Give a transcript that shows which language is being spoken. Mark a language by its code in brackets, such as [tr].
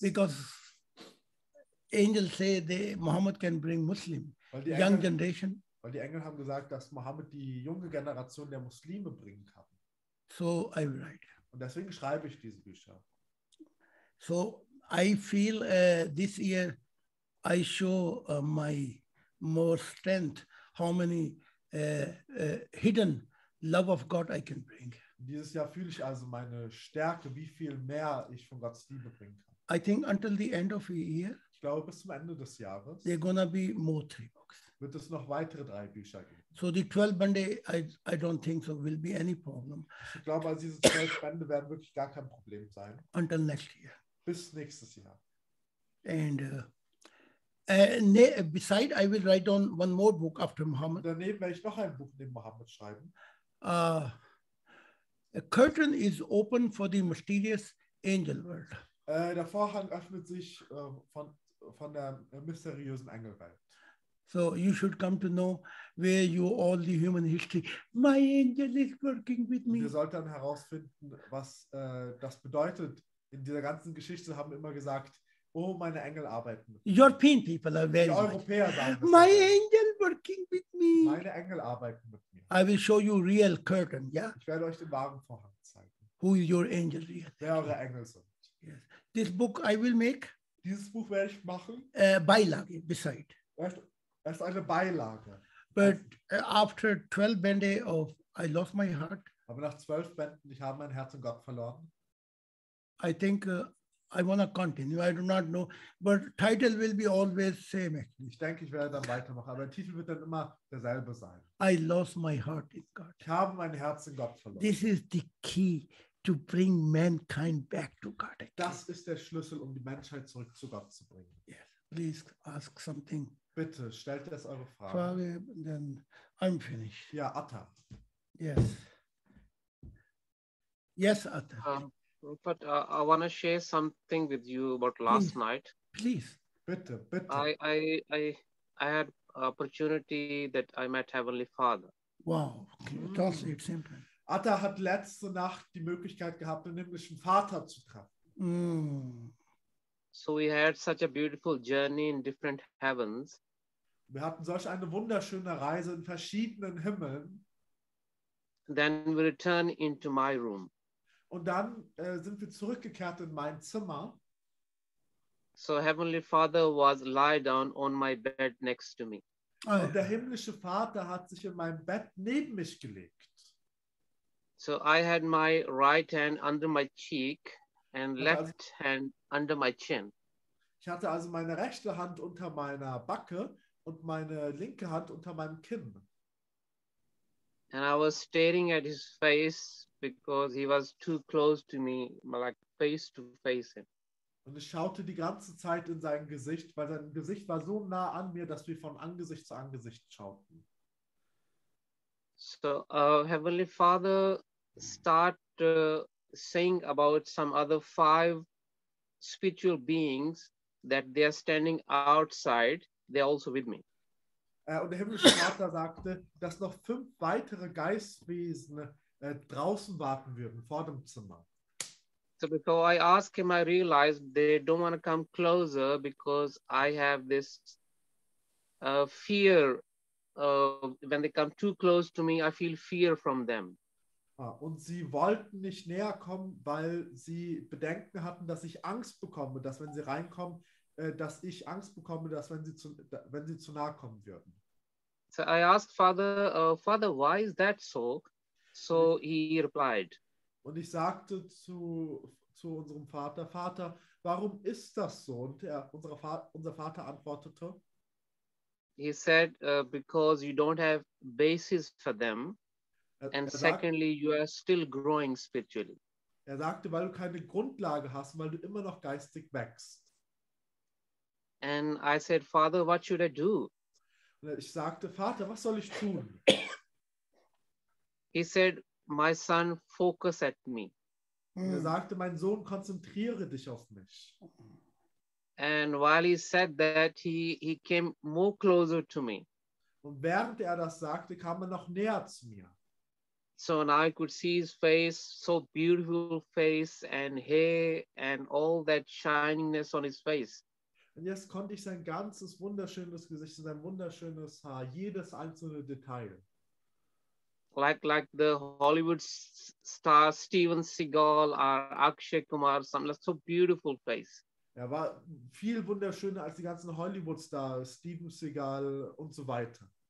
[en] Because angels say they, Muhammad can bring Muslim, young [de] Engel, [en] generation. [de] Weil die Engel haben gesagt, dass Muhammad die junge Generation der Muslime bringen kann. [en] So I write. [de] Und deswegen schreibe ich diese Bücher. [en] So I feel this year I show my more strength, how many hidden love of God I can bring. [de] Dieses Jahr fühle ich also meine Stärke, wie viel mehr ich von Gottes Liebe bringen kann. [en] I think until the end of the year, [de] ich glaube, bis zum Ende des Jahres, [en] there are gonna be more three books. [de] Wird es noch weitere drei Bücher geben. [en] So the 12 Bände, I don't think so, will be any problem. [de] Ich glaube, also diese 12 Bände werden wirklich gar kein Problem sein. [en] Until next year. [de] Bis nächstes Jahr. [en] And beside, I will write on one more book after Muhammad. [de] Daneben werde ich noch ein Buch neben Muhammad schreiben. [en] A curtain is open for the mysterious angel world. Der Vorhang öffnet sich von der mysteriösen Engelwelt. So you should come to know where you all the human history. My angel is working with me. [de] Wir sollten herausfinden, was das bedeutet. In dieser ganzen Geschichte haben wir immer gesagt, oh, meine Engel arbeiten mit mir. [en] European people are very. [de] Die Europäer sagen. [en] My angel working with me. [de] Meine Engel arbeiten mit mir. [en] I will show you real curtain, yeah. [de] Ich werde euch den wahren Vorhang zeigen. [en] Who is your angel? [de] Wer eure Engel sind. [en] Yes. This book I will make. [de] Dieses Buch werde ich machen. Beilage [en] beside. [de] Das ist eine Beilage. [en] But after 12 Bände of I lost my heart. [de] Aber nach 12 Bänden, ich habe mein Herz in Gott verloren. [en] I think I want to continue. I do not know. But title will be always same. [de] Ich denke, ich werde dann weitermachen. Aber der Titel wird dann immer derselbe sein. [en] I lost my heart in God. [de] Ich habe mein Herz in Gott verloren. [en] This is the key to bring mankind back to God again. [de] Das ist der Schlüssel, um die Menschheit zurück zu Gott zu bringen. [en] Yes. Please ask something. [de] Bitte, stellt erst eure Frage. Frage, [en] then I'm finished. [de] Ja, Atta. [en] Yes. Yes, Atta. Rupert, I want to share something with you about last please, night. Please, [de] bitte, bitte. [en] I had opportunity that I met Heavenly Father. [de] Wow, das ist simpel. Atta hat letzte Nacht die Möglichkeit gehabt, den himmlischen Vater zu treffen. [en] So we had such a beautiful journey in different heavens. [de] Wir hatten solch eine wunderschöne Reise in verschiedenen Himmeln. [en] Then we return into my room. [de] Und dann sind wir zurückgekehrt in mein Zimmer. [en] So Heavenly Father was lie down on my bed next to me. [de] Und der himmlische Vater hat sich in meinem Bett neben mich gelegt. [en] So I had my right hand under my cheek and left hand under my chin. [de] Ich hatte also meine rechte Hand unter meiner Backe und meine linke Hand unter meinem Kinn. [en] And I was staring at his face. Because he was too close to me, like face to face him. [de] Und ich schaute die ganze Zeit in sein Gesicht, weil sein Gesicht war so nah an mir, dass wir von Angesicht zu Angesicht schauten. [en] So, Heavenly Father start saying about some other 5 spiritual beings that they are standing outside, they are also with me. [de] Und der himmlische Vater sagte, dass noch 5 weitere Geistwesen draußen warten würden, vor dem Zimmer. [en] So before I ask him, I realized they don't want to come closer because I have this fear of when they come too close to me, I feel fear from them. [de] Und sie wollten nicht näher kommen, weil sie Bedenken hatten, dass ich Angst bekomme, dass wenn sie reinkommen, dass ich Angst bekomme, dass wenn sie zu nahe kommen würden. [en] So I asked Father, Father, why is that so? So he replied. [de] Und ich sagte zu unserem Vater, Vater, warum ist das so? Und unser Vater antwortete. [en] He said, because you don't have basis for them. And secondly, you are still growing spiritually. [de] Er sagte, weil du keine Grundlage hast, weil du immer noch geistig wächst. [en] And I said, Father, what should I do? [de] Und ich sagte, Vater, was soll ich tun? [en] He said, my son, focus at me. [de] Und er sagte, mein Sohn, konzentriere dich auf mich. [en] And while he said that, he came more closer to me. [de] Und während er das sagte, kam er noch näher zu mir. [en] So now I could see his face, so beautiful face and hair and all that shininess on his face. [de] Und jetzt konnte ich sein ganzes wunderschönes Gesicht, sein wunderschönes Haar, jedes einzelne Detail. [en] like the Hollywood star Steven Seagal or Akshay Kumar, something like, so beautiful face. [de] Er war viel wunderschöner als die ganzen Hollywood-Stars, Steven Seagal und so weiter.